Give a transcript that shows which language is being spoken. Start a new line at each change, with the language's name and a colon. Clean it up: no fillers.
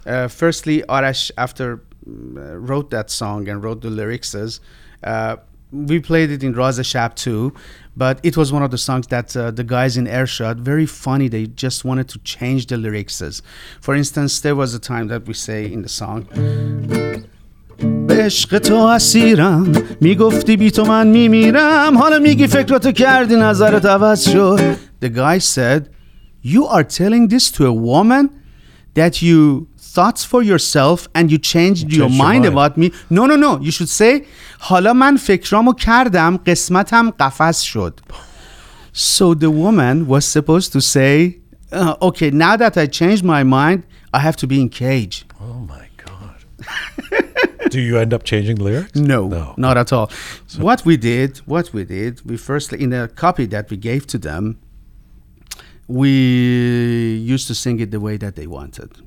English: Firstly, Arash, after wrote that song and wrote the lyrics, we played it in Raza Shab too. But it was one of the songs that the guys in Ershad, very funny, they just wanted to change the lyrics. For instance, there was a time that we say in the song.
Persian: به عشق تو اسیرم میگفتی بی تو من میمیرم حالا میگی فکراتو کردی نظرت عوض شد.
English: The guy said, you are telling this to a woman that you thought for yourself and you changed your mind about me. No, you should say
Persian: حالا من فکرامو کردم قسمتم قفس شد.
English: So the woman was supposed to say, okay, now that I changed my mind, I have to be in cage. Oh my god. Do you end up changing the lyrics? No, not at all. So what we did, we firstly, in a copy that we gave to them, we used to sing it the way that they wanted.